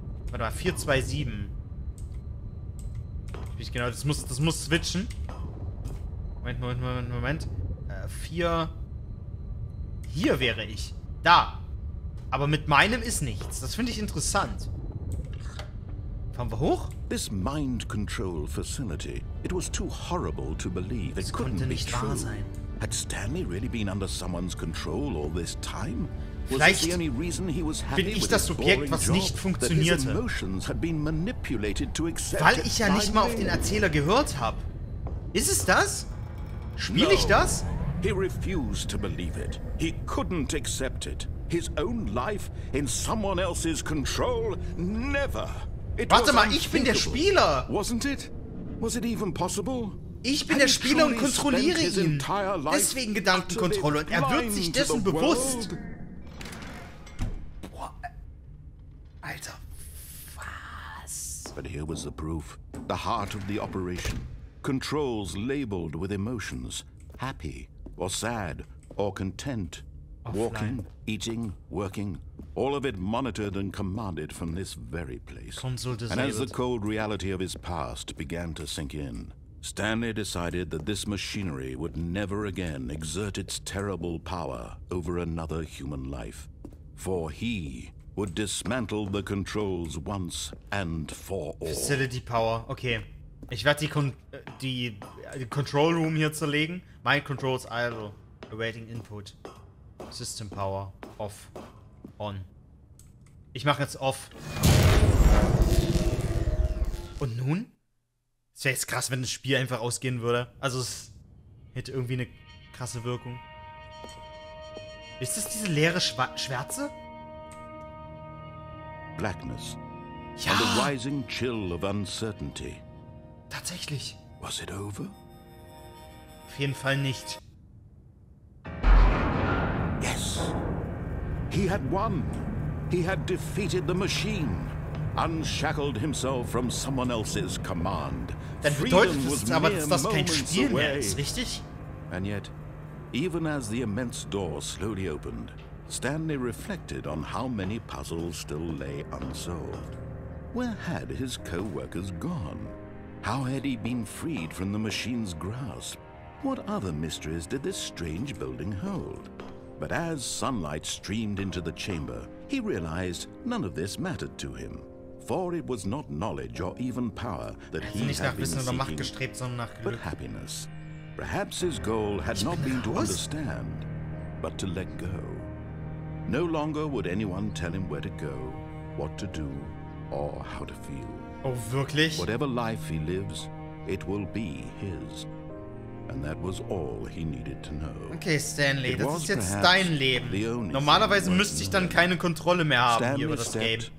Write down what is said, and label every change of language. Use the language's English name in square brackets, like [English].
[German] 427. Wie genau, das muss switchen. Moment. 4. Hier wäre ich. Da. Aber mit meinem ist nichts. Das finde ich interessant. Fahren wir hoch? [English] This mind control facility. It was too horrible to believe. [German] Es konnte nicht wahr sein. [English] Had Stanley really been under someone's control all this time? Was the only reason he was happy with [German] das Subjekt, was nicht funktionierte? Weil ich ja nicht mal auf den Erzähler gehört habe. Ist es das? Spiele ich das? [English] He refused to believe it. He couldn't accept it. His own life in someone else's control? Never. [German] Warte mal, ich bin der Spieler. [English] Wasn't it? Was it even possible? [German] Ich bin der Spieler und kontrolliere ihn. Deswegen Gedankenkontrolle und er wird sich dessen bewusst. Boah. Alter. Was? [English] But here was the proof. The heart of the operation. Controls labeled with emotions. Happy or sad or content. Offline. Walking, eating, working, all of it monitored and commanded from this very place. And as the cold reality of his past began to sink in, Stanley decided that this machinery would never again exert its terrible power over another human life. For he would dismantle the controls once and for all. Facility power, okay. [German] Ich werde die Control Room hier zerlegen. [English] My controls idle, awaiting input. System Power. Off. On. [German] Ich mache jetzt off. Und nun? Es wäre jetzt krass, wenn das Spiel einfach ausgehen würde. Also es hätte irgendwie eine krasse Wirkung. Ist das diese leere Schwärze? Blackness. Ja! [English] And a rising chill of uncertainty. [German] Tatsächlich. [English] Was it over? [German] Auf jeden Fall nicht. [English] He had won. He had defeated the machine. Unshackled himself from someone else's command. [German] Dann bedeutet es aber, dass das kein Spiel mehr ist, richtig? [English] And yet, even as the immense door slowly opened, Stanley reflected on how many puzzles still lay unsolved. Where had his co-workers gone? How had he been freed from the machine's grasp? What other mysteries did this strange building hold? But as sunlight streamed into the chamber, he realized none of this mattered to him. For it was not knowledge or even power that he had been seeking, but happiness. Perhaps his goal had not been to understand, but to let go. No longer would anyone tell him where to go, what to do, or how to feel. [German] Oh, wirklich? [English] Whatever life he lives, it will be his. And that was all he needed to know. [German] Okay, Stanley, das ist jetzt dein Leben. Normalerweise müsste ich dann keine Kontrolle mehr haben hier über das Game.